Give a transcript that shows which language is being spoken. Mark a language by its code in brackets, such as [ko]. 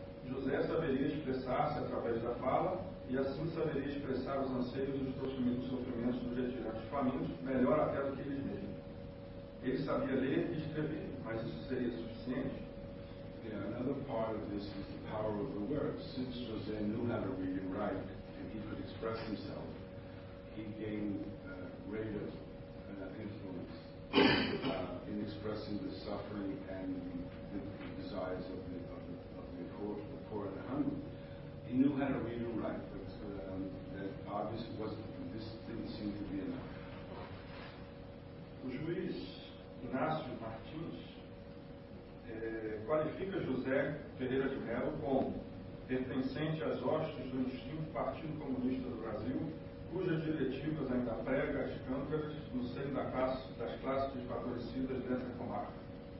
[pt] José saberia expressar-se através da fala e assim saberia expressar os anseios e os sofrimentos dos retirantes famintos melhor até do que eles mesmos. Ele sabia ler e escrever, mas isso seria suficiente? [en] Yeah, another part of this is the power of the word. Since José knew how to read and write and he could express himself, he gained greater influence. In expressing the suffering and the desires of the poor and the hungry. He knew how to read and write, but that obviously this didn't seem to be enough. [pt] O juiz Inácio Martins qualifica José Ferreira de Mello como pertencente às hostes do extinto Partido Comunista do Brasil, cujas diretivas ainda prega as cânceres no seio das classes desfavorecidas dessa comarca.